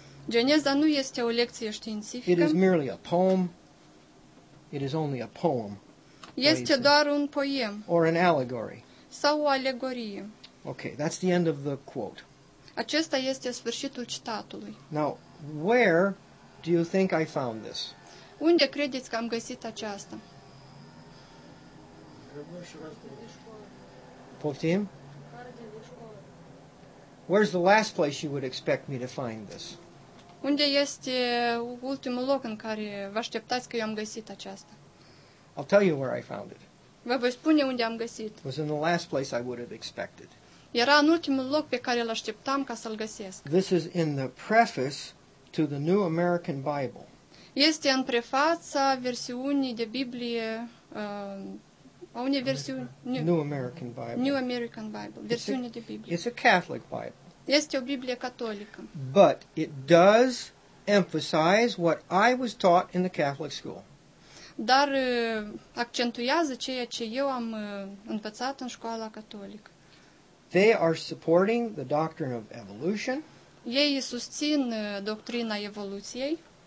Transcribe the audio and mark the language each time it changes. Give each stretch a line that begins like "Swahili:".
Romanian: Geneza nu este o lecție științifică.
English: It is merely a poem. It is only a poem.
Romanian: Este doar un poem.
English: Or an allegory.
Romanian: Sau o alegorie.
English: Okay, that's the end of the quote.
Romanian: Acesta este sfârșitul citatului.
English: Now, where do you think I found this?
Romanian: Unde credeți că am găsit aceasta? Poftim?
English: Where's the last place you would expect me to find this?
Romanian: Unde este ultimul loc în care vă așteptați că eu am găsit aceasta?
English: I'll tell you where I found it.
Romanian: Vă voi spune unde am găsit.
English: It was in the last place I would have expected.
Romanian: Era în ultimul loc pe care îl așteptam ca să-l găsesc.
English: This is in the preface to the New American Bible.
Romanian: Este în prefața versiunii de Biblie a unei versiuni
English: New American Bible.
Romanian: New American Bible, versiunea de Biblie.
English: It's a Catholic Bible.
Romanian: Este o Biblie catolică.
English: But it does emphasize what I was taught in the Catholic school.
Romanian: Dar accentuează ceea ce eu am învățat în școala catolică.
English: They are supporting the doctrine of evolution.
Romanian: Ei susțin doctrina evoluției.